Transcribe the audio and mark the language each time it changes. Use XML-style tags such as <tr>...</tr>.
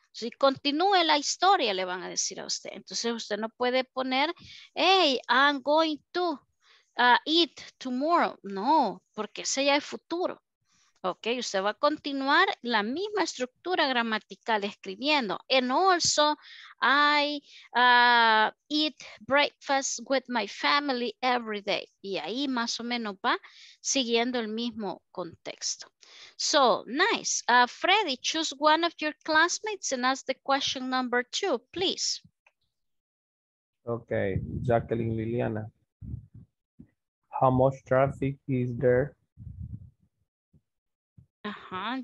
<es>Si continúe la historia, le van a decir a usted. Entonces usted no puede poner,</es> <en>hey, I'm going to eat tomorrow.</en> <es>No, porque ese ya es futuro. Ok, usted va a continuar la misma estructura gramatical escribiendo.</es> <en>And also, I eat breakfast with my family every day.</en> <es>Y ahí más o menos va siguiendo el mismo contexto.</es> <en>So, nice. Freddy, choose one of your classmates and ask the question number two, please. Ok, Jacqueline Liliana. How much traffic is there? Uh-huh.</en>